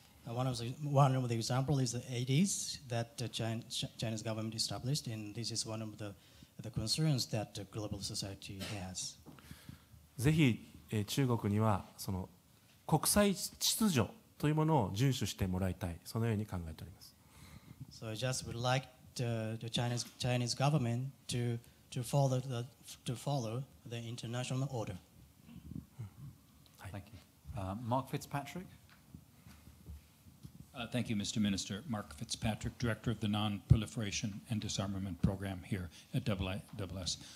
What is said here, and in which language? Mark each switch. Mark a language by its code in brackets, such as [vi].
[en] One of the examples is the ADs that the Chinese government established, and this is one of the concerns that the global society has. [ja] ぜひ中国にはその国際秩序というものを遵守してもらいたい、そのように考えております。 [en] So I just would like the Chinese government to follow the international order. Thank you. Mark Fitzpatrick. Thank you, Mr. Minister. Mark Fitzpatrick, Director of the Non-Proliferation and Disarmament Program here at IISS.